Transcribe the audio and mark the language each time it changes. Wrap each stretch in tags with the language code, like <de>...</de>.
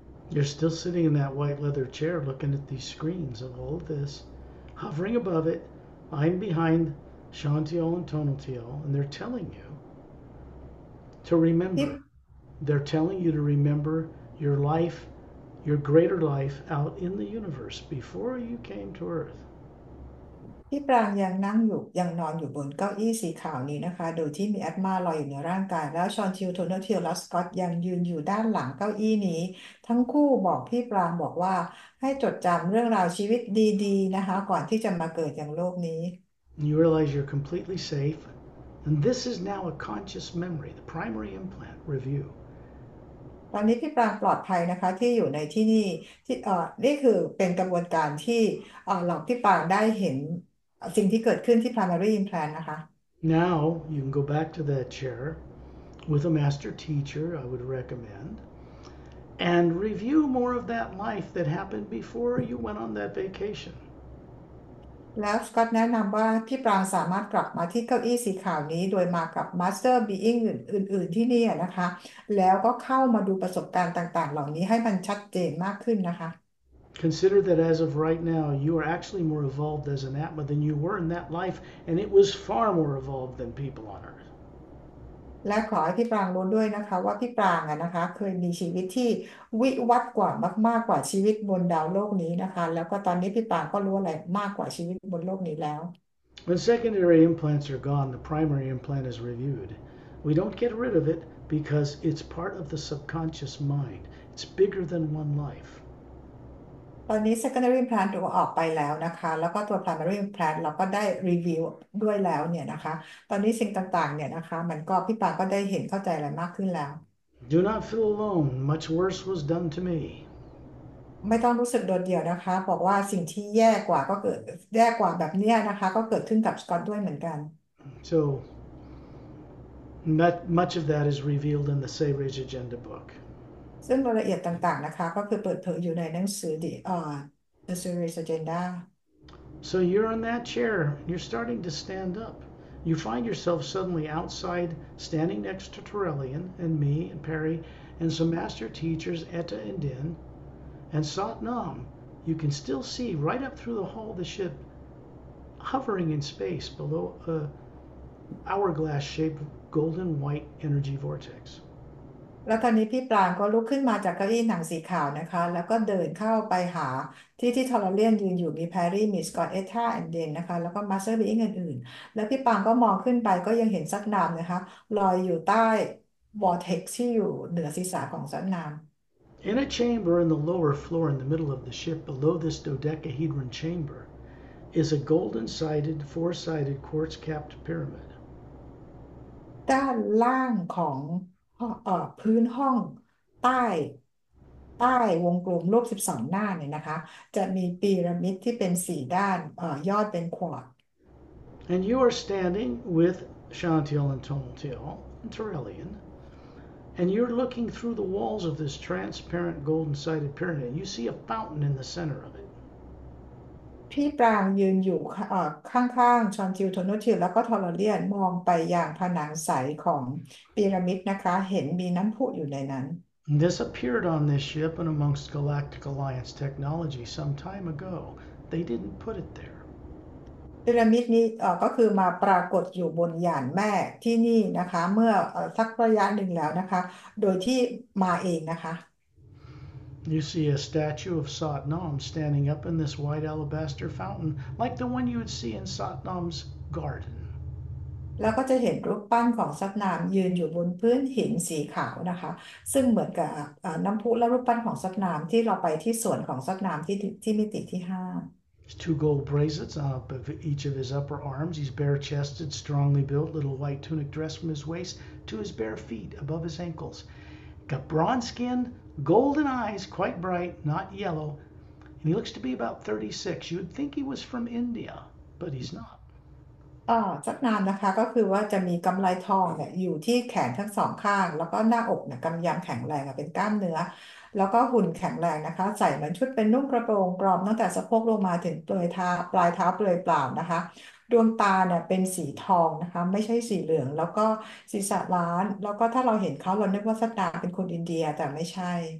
<en>You're still sitting in that white leather chair looking at these screens of all of this, hovering above it. I'm behind Shantiel and Tonaltiel, and they're telling you to remember. They're telling you to remember your life, your greater life out in the universe before you came to Earth.</en> <th>พี่ปรางยังนั่งอยู่ยังนอนอยู่บนเก้าอี้สีขาวนี้นะคะโดยที่มีแอตมาลอยอยู่ในร่างกายแล้วชอนทิวโทนเทียลและสกอตยังยืนอยู่ด้านหลังเก้าอี้นี้ทั้งคู่บอกพี่ปรางบอกว่าให้จดจำเรื่องราวชีวิตดีๆนะคะก่อนที่จะมาเกิดอย่างโลกนี้</th> <en>You realize you're completely safe, and this is now a conscious memory, the primary implant review.</en> <th>ตอนนี้พี่ปรางปลอดภัยนะคะที่อยู่ในที่นี่ที่นี่คือเป็นกระบวนการที่หลังพี่ปรางได้เห็นสิ่งที่เกิดขึ้นที่ primary implant นะคะ</th> <en>Now you can go back to that chair with a master teacher, I would recommend, and review more of that life that happened before you went on that vacation.</en> <th>แล้วสกอตแนะนำว่าพี่ปรางสามารถกลับมาที่เก้าอี้สีขาวนี้โดยมากับมาสเตอร์บีอิงอื่นๆที่นี่นะคะแล้วก็เข้ามาดูประสบการณ์ต่างๆเหล่านี้ให้มันชัดเจนมากขึ้นนะคะ</th> <en>Consider that as of right now, you are actually more evolved as an Atma than you were in that life, and it was far more evolved than people on Earth.</en> <th>และขอให้พี่ปรางรู้ด้วยนะคะว่าพี่ปรางอะนะคะเคยมีชีวิตที่วิวัฒน์กว่ามากๆกว่าชีวิตบนดาวโลกนี้นะคะแล้วก็ตอนนี้พี่ปรางก็รู้อะไรมากกว่าชีวิตบนโลกนี้แล้ว</th> <en>When secondary implants are gone, the primary implant is reviewed. We don't get rid of it because it's part of the subconscious mind. It's bigger than one life.</en> <th>ตอนนี้ secondary implant ตัวออกไปแล้วนะคะแล้วก็ตัว primary implant เราก็ได้รีวิวด้วยแล้วเนี่ยนะคะตอนนี้สิ่งต่างๆเนี่ยนะคะมันก็พี่ปาก็ได้เห็นเข้าใจอะไรมากขึ้นแล้ว</th> <en>Do not feel alone. Much worse was done to me.</en> <th>ไม่ต้องรู้สึกโดดเดี่ยวนะคะบอกว่าสิ่งที่แย่กว่าก็เกิดแย่กว่าแบบเนี้ยนะคะก็เกิดขึ้นกับสกอตด้วยเหมือนกัน</th> <en>So, not much of that is revealed in the Sage Agenda book.</en> <th>ซึ่งรายละเอียดต่างๆนะคะก็คือเปิดเผยอยู่ในหนังสือ The Series Agenda</th> <en>So you're on that chair, you're starting to stand up. You find yourself suddenly outside, standing next to Torellian and me and Perry and some master teachers, Etta and Din, and Sat Nam. You can still see right up through the hull of the ship, hovering in space below a hourglass-shaped golden white energy vortex.</en> <th>แล้วตอนนี้พี่ปรางก็ลุกขึ้นมาจากเก้าอี้หนังสีขาวนะคะแล้วก็เดินเข้าไปหาที่ที่ทอร์เรียนยืนอยู่มีแพรรี่มีสกอตเอท่าแอนเดนนะคะแล้วก็มาสเตอร์บีอิงอื่นๆแล้วพี่ปรางก็มองขึ้นไปก็ยังเห็นซักนามนะคะลอยอยู่ใต้วอร์เท็กซ์ที่อยู่เหนือศีรษะของซักนาม</th> <en>In a chamber in the lower floor in the middle of the ship below this dodecahedron chamber is a golden-sided, four-sided, quartz-capped pyramid.</en> <th>ด้านล่างของพื้นห้องใต้วงกลมรูป12 หน้าเนี่ยนะคะจะมีพีระมิดที่เป็น4 ด้านยอดเป็นควอตซ์</th> <en>And you are standing with Shantiel and Tonaltiel and Torellian and you're looking through the walls of this transparent golden-sided pyramid and you see a fountain in the center of it</en> <th>พี่ปรางยืนอยู่ข้างๆชอนทิวโทนทิวแล้วก็ทอร์เรียนมองไปอย่างผนังใสของพีระมิดนะคะเห็นมีน้ำพุอยู่ในนั้น</th> <en>This appeared on this ship and amongst Galactic Alliance technology some time ago. They didn't put it there.</en> <th>พีระมิดนี้ก็คือมาปรากฏอยู่บนหยานแม่ที่นี่นะคะเมื่อสักระยะหนึ่งแล้วนะคะโดยที่มาเองนะคะ</th> <en>You see a statue of Sat Nam standing up in this white alabaster fountain, like the one you would see in Sat Nam's garden.</en> <th>แล้วก็จะเห็นรูปปั้นของสัตนามยืนอยู่บนพื้นหินสีขาวนะคะซึ่งเหมือนกับน้ำพุและรูปปั้นของสัตนามที่เราไปที่สวนของสัตนามที่มิติที่ห้า</th> <en>Two gold bracelets on top of each of his upper arms. He's bare-chested, strongly built, little white tunic dress from his waist to his bare feet above his ankles. Got bronze skin, golden eyes, quite bright, not yellow, and he looks to be about 36. You would think he was from India, but he's not.</en> <th>สักนามนะคะก็คือว่าจะมีกำไลทองเนี่ยอยู่ที่แขนทั้งสองข้างแล้วก็หน้าอกเนี่ยกำยำแข็งแรงเป็นกล้ามเนื้อแล้วก็หุ่นแข็งแรงนะคะใส่เหมือนชุดเป็นนุ่งกระโปรงกรอบตั้งแต่สะโพกลงมาถึงเปลือยเท้าปลายเท้าเปลือยเปล่านะคะดวงตาเนี่ยเป็นสีทองนะคะไม่ใช่สีเหลืองแล้วก็ศีรษะล้านแล้วก็ถ้าเราเห็นเขาเรานึกว่าสักนามเป็นคนอินเดียแต่ไม่ใช่</th>